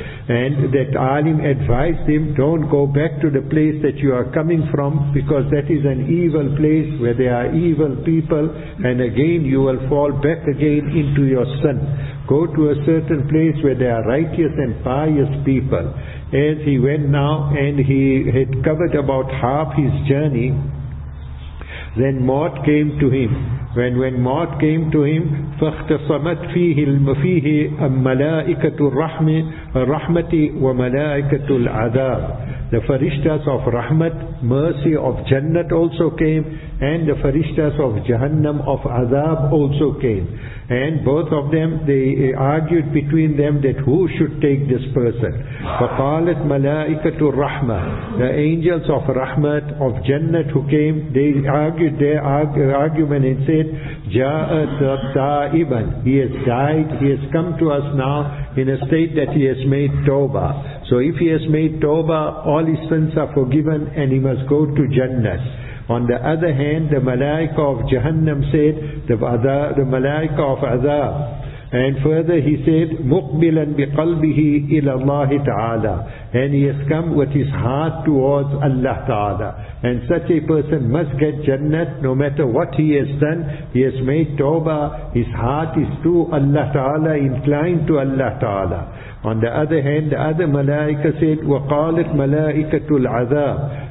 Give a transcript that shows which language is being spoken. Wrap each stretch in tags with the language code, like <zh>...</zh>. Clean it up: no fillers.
<en>And that alim advised him, don't go back to the place that you are coming from, because that is an evil place where there are evil people, and again you will fall back again into your sin. Go to a certain place where there are righteous and pious people. As he went now, and he had covered about half his journey, then maut came to him. When maut came to him,</en> <ar>فَاخْتَصَمَتْ فِيهِ الْمَفِيهِ الْمَلَائِكَةُ الرَّحْمَةِ وَمَلَائِكَةُ الْعَذَابِ.</ar> <en>The farishtas of rahmat, mercy of jannat also came, and the farishtas of jahannam of azab also came. And both of them, they argued between them that who should take this person.</en> <ar>فَقَالَتْ مَلَائِكَةُ الرَّحْمَةِ.</ar> <en>The angels of rahmat, of jannat who came, they argued their argument and said,</en> <ar>جَاءَتْ تَائِبًا.</ar> <en>He has died, he has come to us now in a state that he has made tawbah. So if he has made tawbah, all his sins are forgiven and he must go to jannat. On the other hand, the malaika of jahannam said, the malaika of azab. And further he said,</en> <ar>مُقْبِلًا بِقَلْبِهِ إِلَى اللَّهِ تَعَالَى.</ar> <en>And he has come with his heart towards Allah Ta'ala. And such a person must get jannat no matter what he has done. He has made tawbah, his heart is to Allah Ta'ala, inclined to Allah Ta'ala. On the other hand, the other malaika said,</en> <ar>وَقَالَتْ مَلَائِكَةُ الْعَذَابِ.</ar>